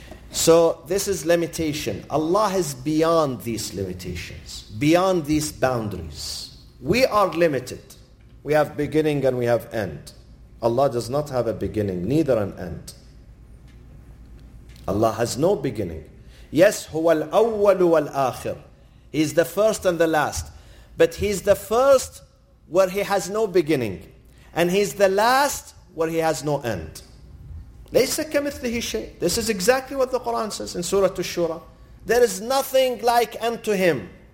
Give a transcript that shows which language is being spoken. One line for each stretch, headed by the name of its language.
English: So this is limitation. Allah is beyond these limitations, beyond these boundaries. We are limited. We have beginning and we have end. Allah does not have a beginning, neither an end. Allah has no beginning.
Arabic: Yes, هو الأول والآخر.
English: He is the first and the last. But he is the first where he has no beginning. And he is the last where he has no end.
Arabic: ليس كمثله شيء.
English: This is exactly what the Quran says in Surah Ash-Shura. There is nothing like unto him.